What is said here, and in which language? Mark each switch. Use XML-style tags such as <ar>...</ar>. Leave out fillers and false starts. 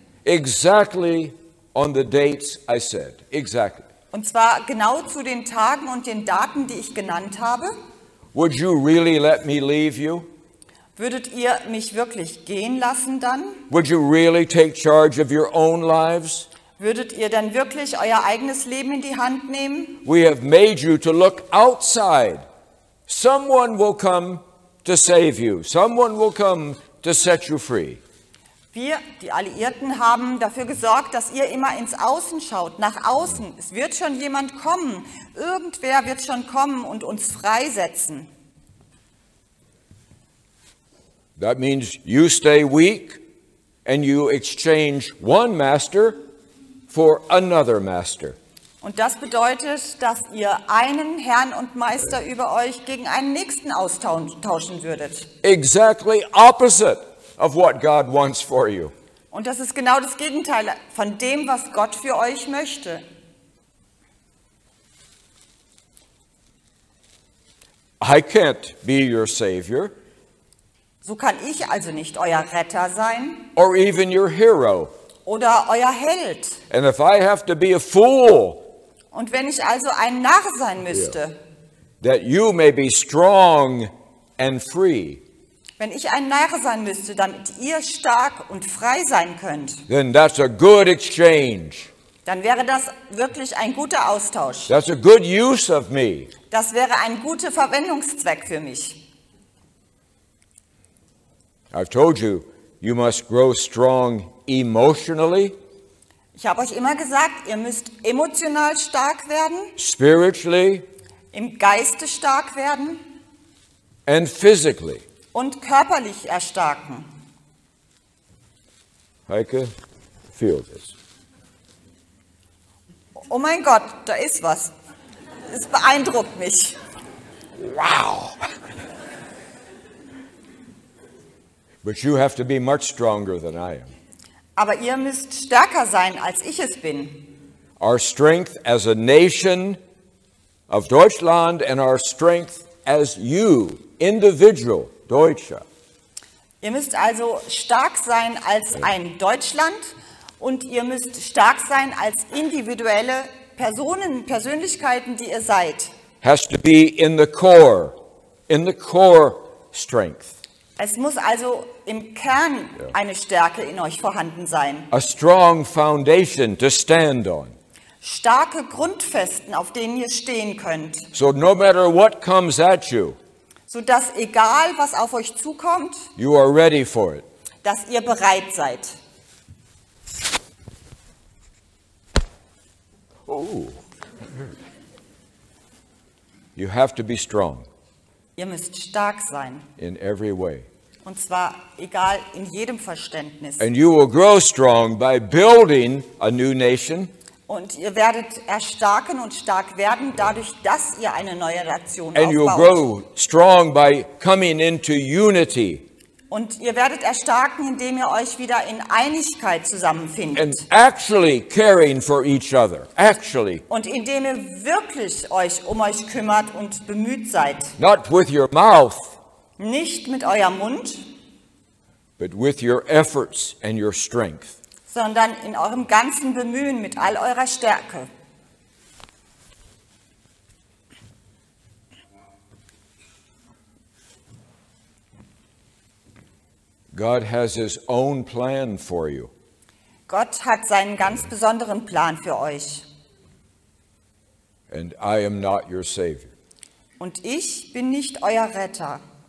<en>Exactly on the dates I said. Exactly.</en> <de>Und zwar genau zu den Tagen und den Daten, die ich genannt habe.</de> <en>Would you really let me leave you?</en> <de>Würdet ihr mich wirklich gehen lassen dann?</de> <en>Would you really take charge of your own lives?</en> <de>Würdet ihr dann wirklich euer eigenes Leben in die Hand nehmen?</de> <en>We have made you to look outside. Someone will come to save you. Someone will come to set you free.</en> <de>Wir, die Alliierten, haben dafür gesorgt, dass ihr immer ins Außen schaut, nach außen. Es wird schon jemand kommen. Irgendwer wird schon kommen und uns freisetzen.</de> <en>That means you stay weak and you exchange one master for another master.</en> <de>Und das bedeutet, dass ihr einen Herrn und Meister über euch gegen einen nächsten austauschen würdet.</de> <en>Exactly opposite of what God wants for you.</en> <de>Und das ist genau das Gegenteil von dem, was Gott für euch möchte.</de> <en>I can't be your savior.</en> <de>So kann ich also nicht euer Retter sein.</de> <en>Or even your hero.</en> <de>Oder euer Held.</de> <en>And if I have to be a fool.</en> <de>Und wenn ich also ein Narr sein müsste,</de> <en>that you may be strong and free,</en> <de>wenn ich ein Narr sein müsste, damit ihr stark und frei sein könnt,</de> <en>then that's a good exchange.</en> <de>Dann wäre das wirklich ein guter Austausch.</de> <en>That's a good use of me.</en> <de>Das wäre ein guter Verwendungszweck für mich.</de> <en>I've told you, you must grow strong emotionally.</en> <de>Ich habe euch immer gesagt, ihr müsst emotional stark werden,</de> <en>spiritually,</en> <de>im Geiste stark werden</de> <en>and physically.</en> <de>Und körperlich erstarken.</de> <en>Heike, feel this.</en> <de>Oh mein Gott, da ist was. Es beeindruckt mich. Wow.</de> <en>But you have to be much stronger than I am.</en> <de>Aber ihr müsst stärker sein, als ich es bin.</de> <en>Our strength as a nation of Deutschland and our strength as you, individual Deutscher.</en> <de>Ihr müsst also stark sein als ein Deutschland und ihr müsst stark sein als individuelle Personen, Persönlichkeiten, die ihr seid.</de> <en>Has to be in the core strength.</en> <de>Es muss also im Kern eine Stärke in euch vorhanden sein.</de> <en>A strong foundation to stand on.</en> <de>Starke Grundfesten, auf denen ihr stehen könnt.</de> <en>So no matter what comes at you.</en> <de>So dass egal was auf euch zukommt.</de> <en>You are ready for it.</en> <de>Dass ihr bereit seid. Oh.</de> <en>You have to be strong.</en> <de>Ihr müsst stark sein.</de> <en>In every way.</en> <de>Und zwar egal in jedem Verständnis.</de> <en>And you will grow strong by building a new nation.</en> <de>Und ihr werdet erstarken und stark werden dadurch, dass ihr eine neue Nation aufbaut.</de> <en>And you'll grow strong by coming into unity.</en> <de>Und ihr werdet erstarken, indem ihr euch wieder in Einigkeit zusammenfindet.</de> <en>And actually caring for each other. Actually.</en> <de>Und indem ihr wirklich euch um euch kümmert und bemüht seid.</de> <en>Not with your mouth.</en> <de>Nicht mit eurem Mund.</de> <en>But with your efforts and your strength.</en> <de>Sondern in eurem ganzen Bemühen mit all eurer Stärke.</de> <en>God has his own plan for you.</en> <de>Gott hat seinen ganz besonderen Plan für euch.</de> <en>And I am not your savior.</en> <de>Und ich bin nicht euer Retter.</de>